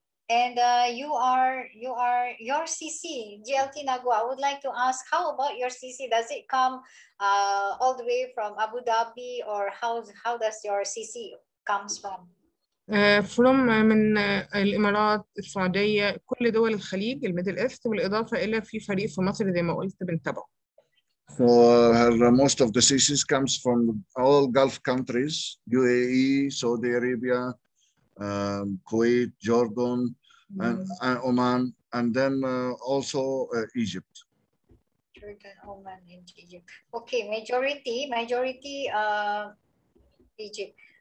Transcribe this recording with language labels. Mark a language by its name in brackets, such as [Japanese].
[English] And your CC, GLT Nagwa, I would like to ask, how about your CC? Does it come all the way from Abu Dhabi, or how does your CC comes from? [Arabic] فروم من الإمارات، السعودية، كل دول الخليج، الميدل إيست، بالإضافة إلى في فريق في مصر زي ما قلت بنتابعه. [English] So most of the cases comes from all Gulf countries, UAE, Saudi Arabia, Kuwait, Jordan, and Oman, and then also Egypt. Jordan, Oman, and Egypt. Okay, majority Egypt.